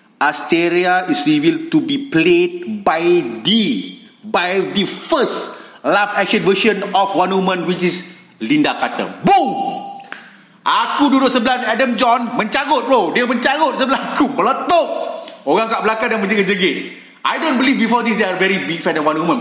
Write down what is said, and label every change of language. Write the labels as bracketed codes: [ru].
[en] Asteria is revealed to be played by the first live action version of Wonder Woman, which is Linda Carter. Boom! [ms] Aku duduk sebelah Adam John, mencarut bro. Dia mencarut sebelah aku, meletup. Orang kat belakang yang menjegit-jegit. [en] I don't believe before this they are very big fan of Wonder Woman.